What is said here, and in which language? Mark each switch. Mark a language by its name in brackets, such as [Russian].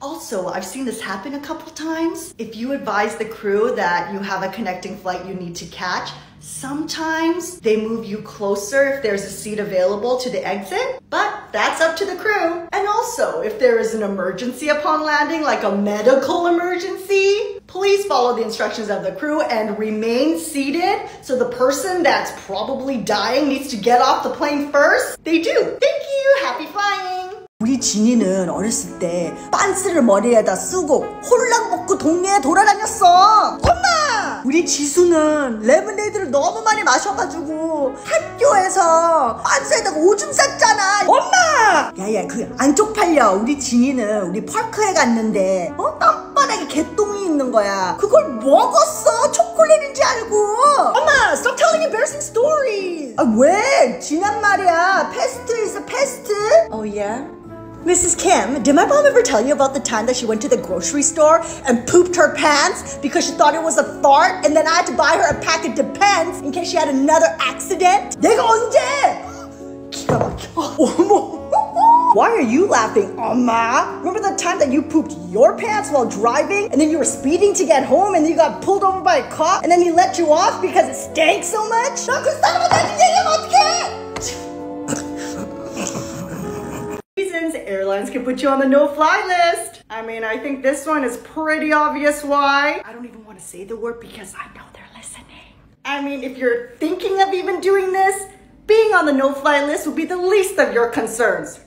[English] Also, I've seen this happen a couple times. If you advise the crew that you have a connecting flight you need to catch, sometimes they move you closer if there's a seat available to the exit, but that's up to the crew. And also, if there is an emergency upon landing, like a medical emergency, please follow the instructions of the crew and remain seated so the person that's probably dying needs to get off the plane first. They do. Thank you. Happy flying. [Korean] 우리 지니는 어렸을 때 빤스를 머리에다 쓰고 홀랑 먹고 동네에 돌아다녔어. 엄마! 우리 지수는 레몬레이드를 너무 많이 마셔가지고 학교에서 빤스에다가 오줌 쌌잖아. 엄마! 야야 그 안 쪽팔려. 우리 지니는 우리 펄크에 갔는데 어? 땀바닥에 개똥이 있는 거야. 그걸 먹었어. 초콜릿인지 알고. [English] 엄마! Stop telling embarrassing stories! [Korean] 아 왜? 지난 말이야. 패스트 [English] is a pest. Oh yeah? Mrs. Kim, did my mom ever tell you about the time that she went to the grocery store and pooped her pants because she thought it was a fart and then I had to buy her a pack of Depends in case she had another accident? [Korean] 내가 언제? 기가 막혀. 어머. [English] Why are you laughing, 엄마? Remember the time that you pooped your pants while driving and then you were speeding to get home and then you got pulled over by a cop and then he let you off because it stank so much? [Korean] 나 그 사람한테 얘기하면 어떡해? [English] Airlines can put you on the no-fly list. I mean, I think this one is pretty obvious why. I don't even want to say the word because I know they're listening. I mean, if you're thinking of even doing this, being on the no-fly list would be the least of your concerns.